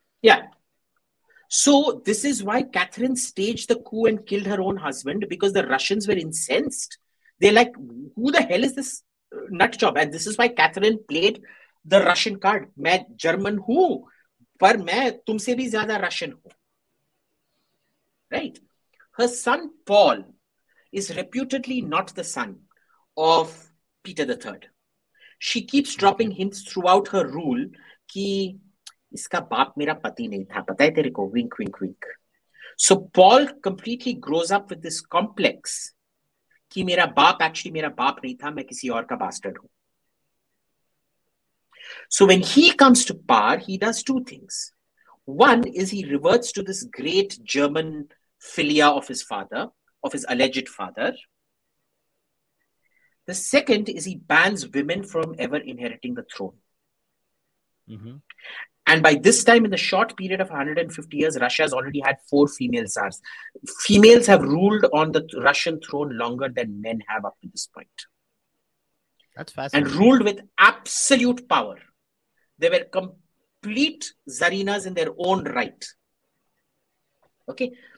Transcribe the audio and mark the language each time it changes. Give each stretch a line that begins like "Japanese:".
English: या so this is why Catherine staged the coup and killed her own husband because the Russians were incensed. They like who the hell is this nut job and this is why Catherine played the Russian card.
Hindi: मैं German हूं पर मैं तुमसे भी ज्यादा Russian हूं.
English: Right, her son Paul is reputedly not the son of Peter the Third. She keeps dropping hints throughout her rule ki
Hindi: इसका बाप मेरा पति नहीं था, पता है तेरे को, विंक विंक विंक.
English: so Paul completely grows up with this complex
Hindi: कि मेरा बाप एक्चुअली मेरा बाप नहीं था, मैं किसी और का बास्टर्ड हूं.
English: So when he comes to power he does two things. One is he reverts to this great German philia of his father, of his alleged father. The second is he bans women from ever inheriting the throne. And by this time, in the short period of 150 years, Russia has already had four female czars. Females have ruled on the Russian throne longer than men have up to this point. That's fascinating. And ruled with absolute power. They were complete czarinas in their own right. Okay.